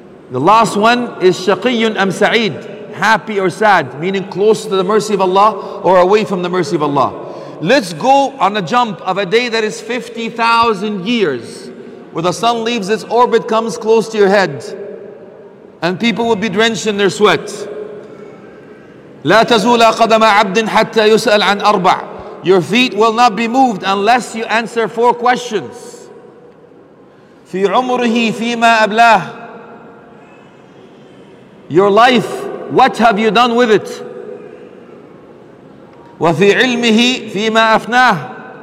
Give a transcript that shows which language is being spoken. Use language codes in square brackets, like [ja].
[en] The last one is [ar] shaqiyun am sa'id, [en] happy or sad, meaning close to the mercy of Allah or away from the mercy of Allah. Let's go on a jump of a day that is 50,000 years, where the sun leaves its orbit, comes close to your head, and people will be drenched in their sweat. [ar] لا تزول قدم عبد حتى يسأل عن أربع. [en] Your feet will not be moved unless you answer four questions. [ar] في عمره فيما أبلاه. [en] Your life, what have you done with it? [ar] وفي علمه فيما أفناه.